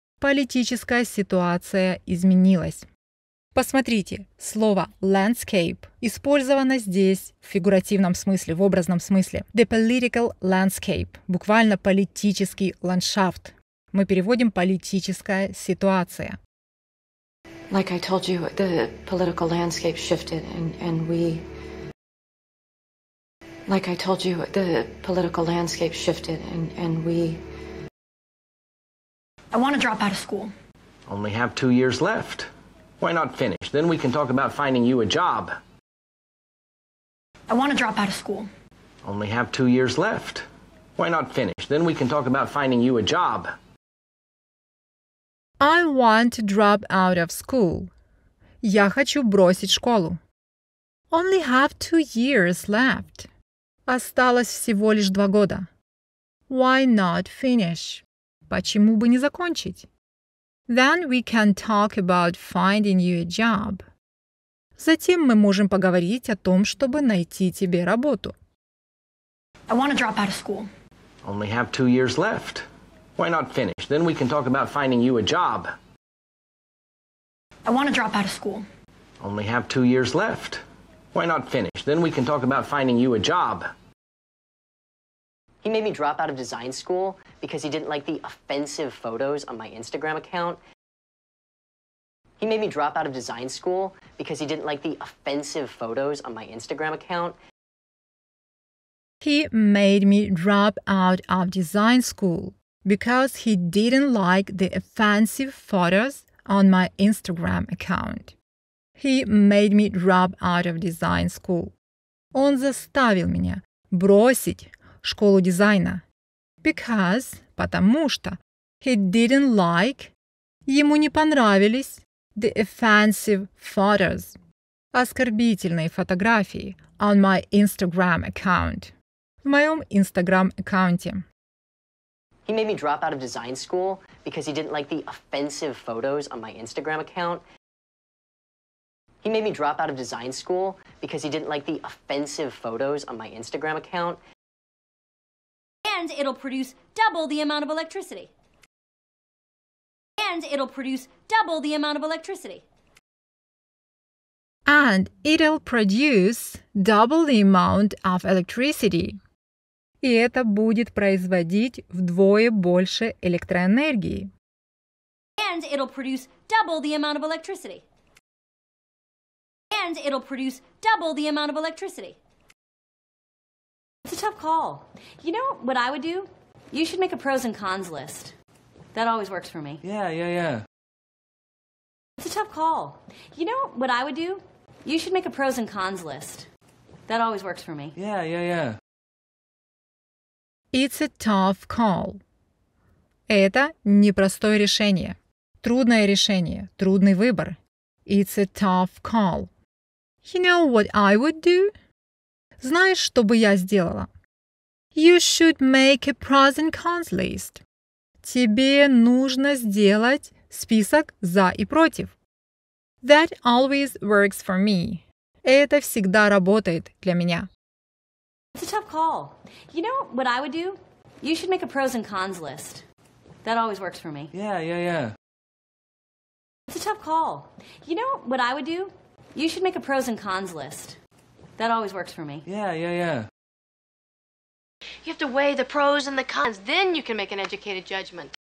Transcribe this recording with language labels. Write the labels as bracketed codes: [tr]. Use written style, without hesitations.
[ru] Политическая ситуация изменилась. Посмотрите, слово landscape использовано здесь в фигуративном смысле, в образном смысле. [en] The political landscape, [ru] буквально политический ландшафт. Мы переводим политическая ситуация. [en] Like I told you, the political landscape shifted and we... Like I told you, the political landscape shifted and we... I want to drop out of school. Only have 2 years left. Why not finish? Then we can talk about finding you a job. I want to drop out of school. Only have 2 years left. Why not finish? Then we can talk about finding you a job. I want to drop out of school. [ru] Я хочу бросить школу. [en] Only have 2 years left. [ru] Осталось всего лишь 2 года. [en] Why not finish? [ru] Почему бы не закончить? [en] Then we can talk about finding you a job. [ru] Затем мы можем поговорить о том, чтобы найти тебе работу. [en] I want to drop out of school. Only have 2 years left. Why not finish? Then we can talk about finding you a job. I want to drop out of school. Only have 2 years left. Why not finish? Then we can talk about finding you a job. He made me drop out of design school because he didn't like the offensive photos on my Instagram account. He made me drop out of design school because he didn't like the offensive photos on my Instagram account. He made me drop out of design school because he didn't like the offensive photos on my Instagram account. He made me drop out of design school. [ru] Он заставил меня бросить школу дизайна. [en] Because, [ru] потому что, [en] he didn't like, [ru] ему не понравились [en] the offensive photos, [ru] оскорбительные фотографии [en] on my Instagram account. [ru] В моем Instagram-аккаунте. [en] He made me drop out of design school because he didn't like the offensive photos on my Instagram account. He made me drop out of design school because he didn't like the offensive photos on my Instagram account. And it'll produce double the amount of electricity. And it'll produce double the amount of electricity. And it'll produce double the amount of electricity. [ru] И это будет производить вдвое больше электроэнергии. [en] And it'll produce double the amount of electricity. And it'll produce double the amount of electricity. It's a tough call. You know what I would do? You should make a pros and cons list. That always works for me. Yeah. It's a tough call. You know what I would do? You should make a pros and cons list. That always works for me. Yeah. It's a tough call. [ru] Это непростое решение. Трудное решение. Трудный выбор. [en] It's a tough call. You know what I would do? [ru] Знаешь, что бы я сделала? [en] You should make a pros and cons list. [ru] Тебе нужно сделать список за и против. [en] That always works for me. [ru] Это всегда работает для меня. [en] It's a tough call. You know what I would do? You should make a pros and cons list. That always works for me. Yeah. It's a tough call. You know what I would do? You should make a pros and cons list. That always works for me. Yeah. You have to weigh the pros and the cons, then you can make an educated judgment.